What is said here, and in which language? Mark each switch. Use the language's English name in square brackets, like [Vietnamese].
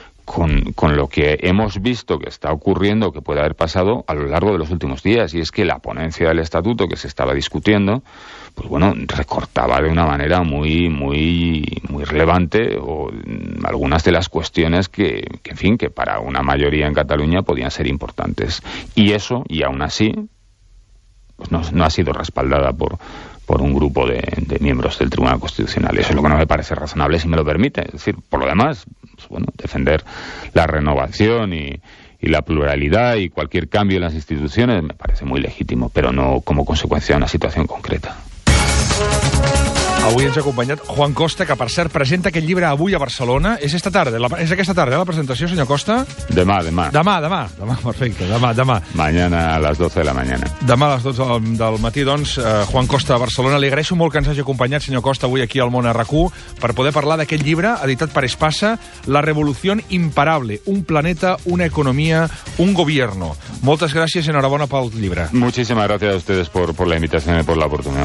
[Spanish] con lo que hemos visto que está ocurriendo, que puede haber pasado a lo largo de los últimos días, y es que la ponencia del estatuto que se estaba discutiendo, pues bueno, recortaba de una manera muy muy muy relevante o algunas de las cuestiones que en fin, que para una mayoría en Cataluña podían ser importantes, y eso, y aún así, pues no ha sido respaldada por un grupo de miembros del Tribunal Constitucional. Eso es lo que no me parece razonable, si me lo permite. Es decir, por lo demás, pues bueno, defender la renovación y la pluralidad y cualquier cambio en las instituciones me parece muy legítimo, pero no como consecuencia de una situación concreta. [Catalan] Avui ens ha acompanyat Juan Costa, que per cert presenta aquest llibre avui a Barcelona. És esta tarda, és aquesta tarda la presentació, senyor Costa? Demà, perfecte, demà. [Spanish] Mañana a [Catalan] les [Spanish] 12 de la mañana. [Catalan] Demà a les 12 del matí, doncs, Juan Costa a Barcelona. Li agraeixo molt que ens hagi acompanyat, senyor Costa, avui aquí al Món a RAC1, per poder parlar d'aquest llibre editat per Espasa, La revolució imparable, un planeta, una economia, un gobierno. Moltes gràcies i enhorabona pel llibre. [Spanish] Muchísimas gracias a ustedes por la invitación y por la oportunidad.